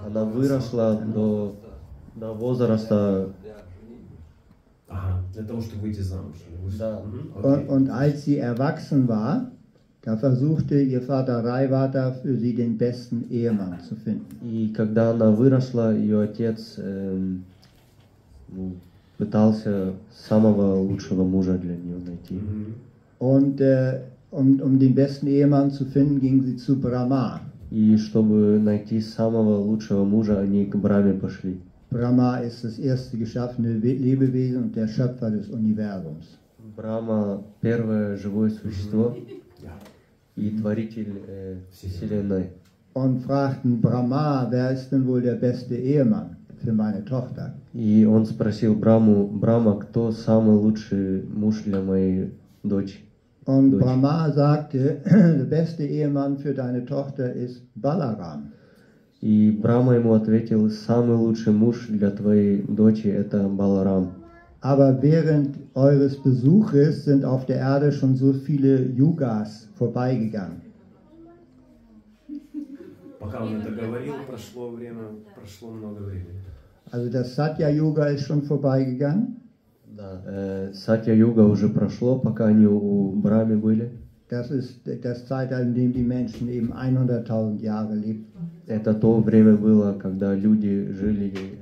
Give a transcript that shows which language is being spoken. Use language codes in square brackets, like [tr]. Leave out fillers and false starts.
[ru] Она выросла до возраста. Ага, для того, чтобы выйти замуж. Да. [de] Und als sie erwachsen war, da versuchte ihr Vater Raivata für sie den besten Ehemann zu finden. [ru] И когда она выросла, ее отец пытался самого лучшего мужа для нее найти. [de] Und um den besten Ehemann zu finden, ging sie zu Brahma. [ru] И чтобы найти самого лучшего мужа, они к Брахме пошли. [de] Brahma ist das erste geschaffene Lebewesen und der Schöpfer des Universums. [ru] Brahma, первое живое существо и творитель вселенной. [de] Und fragten Brahma, wer ist denn wohl der beste Ehemann für meine Tochter? [ru] И он спросил Брахму, Брахма, кто самый лучший муж для моей дочери? [de] Und Brahma sagte, der beste Ehemann für deine Tochter ist Balaram. [ru] И Брахма ему ответил, самый лучший муж для твоей дочери – это Баларам. [de] Aber während eures Besuches sind auf der Erde schon so viele Yugas vorbeigegangen. [ru] Пока он это говорил, прошло время, прошло много времени. [de] Also das Satya-Yoga ist schon vorbeigegangen? [ru] Да, Satya-Yoga уже прошло, пока они у Брахмы были. [de] Das ist das Zeitalter, in dem die Menschen eben 100.000 Jahre lebten. [ru] Это то время было, когда люди жили